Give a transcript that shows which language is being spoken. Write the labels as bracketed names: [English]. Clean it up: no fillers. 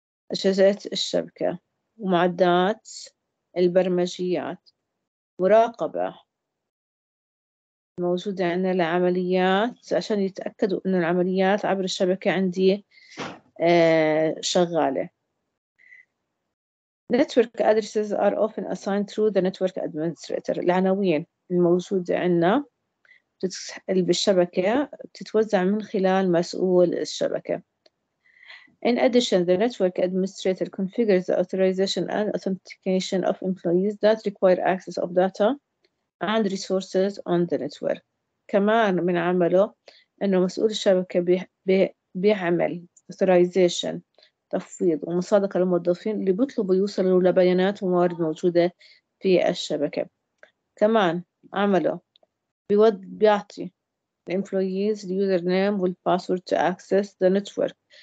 [Arabic] أجهزة الشبكة ومعدات البرمجيات مراقبة موجودة عندنا العمليات عشان يتأكدوا إن العمليات عبر الشبكة عندي شغالة. [English] Network addresses are often assigned through the network administrator. [Arabic] العناوين الموجودة عندنا بالشبكة بتتوزع من خلال مسؤول الشبكة. [English] In addition, the network administrator configures the authorization and authentication of employees that require access of data and resources on the network. [Arabic] كمان من عمله إنه مسؤول الشبكة بيعمل authorization تفويض ومصادقة للموظفين اللي بيطلبوا يوصلوا لبيانات وموارد موجودة في الشبكة. كمان عمله بيعطي الامبلويز اليوزر نيم والباسورد تو اكسس ذا نتورك.